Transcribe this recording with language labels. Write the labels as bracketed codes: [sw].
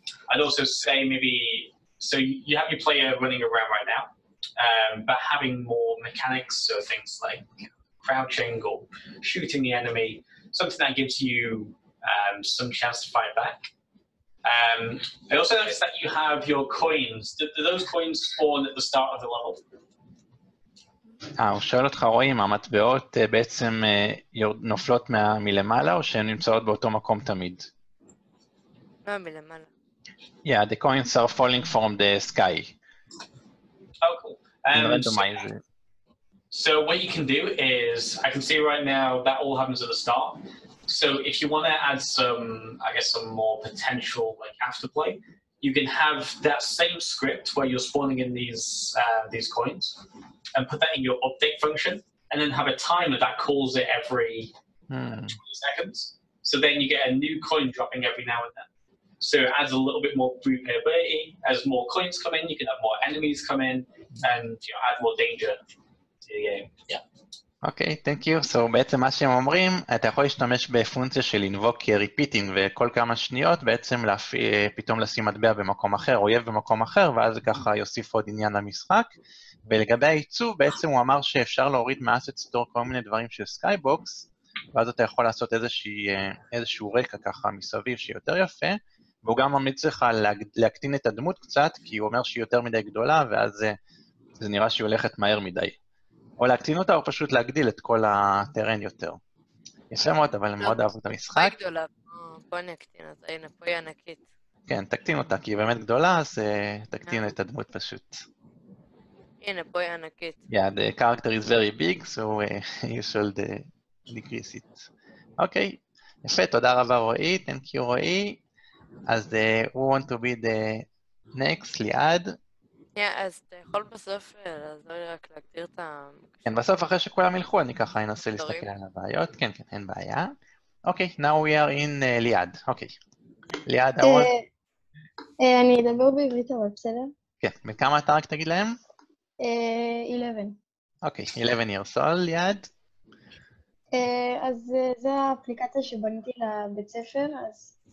[en] I'd also say maybe, so you have your player running around right now, but having more mechanics, so things like crouching or shooting the enemy, something that gives you some chance to fight back. I also noticed that you have your coins. Do those coins spawn at the start of the level? [he] הוא שואל אותך, רואי, אם המטבעות בעצם נופלות מלמעלה או שהן נמצאות באותו מקום תמיד? [en] Yeah, the coins are falling from the sky. Oh, cool. So what you can do is, I can see right now that all happens at the start. So if you want to add some, I guess, some more potential like afterplay, you can have that same script where you're spawning in these coins and put that in your update function and then have a timer that calls it every 20 seconds. So then you get a new coin dropping every now and then. So it adds a little bit more replayability. As more coins come in, you can have more enemies come in and you know, add more danger to the game. Yeah. Okay, thank you. [he] So בעצם מה שהם אומרים, אתה יכול להשתמש בפונקציה של invoke repeating וכל כמה שניות בעצם פתאום לשים מטבע במקום אחר, אויב במקום אחר, ואז ככה יוסיף עוד עניין למשחק. ולגבי העיצוב, בעצם הוא אמר שאפשר להוריד מהאסט סטור כל מיני דברים של סקייבוקס, ואז אתה יכול לעשות איזשהו רקע ככה מסביב שיותר יפה, והוא גם ממליץ לך להקטין את הדמות קצת, כי הוא אומר שהיא יותר מדי גדולה, ואז זה נראה שהיא הולכת מהר מדי. או להקטין אותה, או פשוט להגדיל את כל הטרן יותר. יש שמות, אבל מאוד אהבו את המשחק. היא גדולה, בוא נקטין אותה, הנה פה היא ענקית. כן, תקטין אותה, כי היא באמת גדולה, אז תקטין את הדמות פשוט. הנה פה היא ענקית. [en] Yeah, the character is very big, so you should decrease it. [he] אוקיי, יפה, תודה רבה רועי, [en] thank you [he] רועי. [en] אז we want to be the next, ליעד. [he] Yeah, אז אתה יכול בסוף לעזור לי רק להגדיר את ה... כן, בסוף אחרי שכולם ילכו, אני ככה אנסה להסתכל על הבעיות. כן, כן, אין בעיה. [en] אוקיי, now we are in ליעד. [he] אוקיי. ליעד, אני אדבר בעברית, אבל בסדר. כן, בכמה אתה רק תגיד להם? 11. [en] אוקיי, 11 years old, ליעד. [he] אז זה האפליקציה שבניתי לבית ספר, אז...